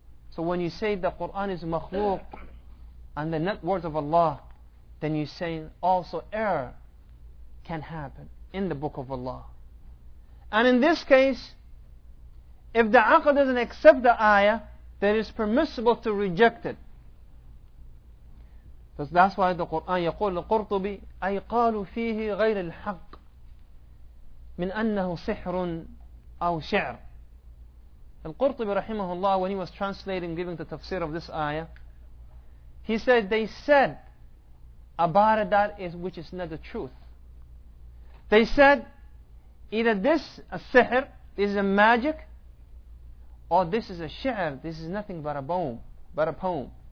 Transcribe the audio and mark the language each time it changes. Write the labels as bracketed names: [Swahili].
[English] So when you say the Qur'an is makhluq and the net words of Allah, then you say also error can happen in the book of Allah. And in this case, if the aql doesn't accept the ayah, then it's permissible to reject it. Because that's why the Qur'an [Arabic] يقول لقرطبي أي قالوا فيه غير الحق من أنه سحر أو شعر. القرطبي رحمه الله, [English] when he was translating, giving the tafsir of this ayah, he said, they said about it that is which is not the truth. They said, either this is sihr, this is a magic, or this is a shi'r, this is nothing but a poem.